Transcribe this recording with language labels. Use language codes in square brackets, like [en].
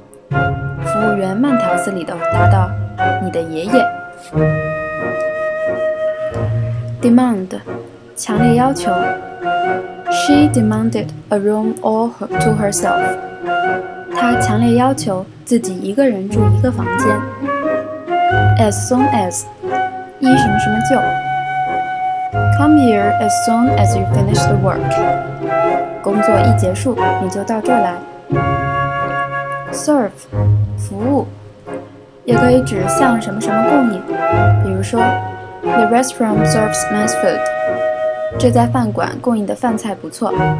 [zh] 服务员慢条斯理地答道，你的爷爷。 [en] Demand [zh] 强烈要求。 [en] She demanded a room all to herself. [zh] 她强烈要求自己一个人住一个房间。 [en] As soon as [zh] 一什么什么就。 [en] Come here as soon as you finish the work. [zh] 工作一结束你就到这儿来。 Serve 服务也可以指向什么什么供应，比如说 [en] The restaurant serves nice food. [zh] 这家饭馆供应的饭菜不错。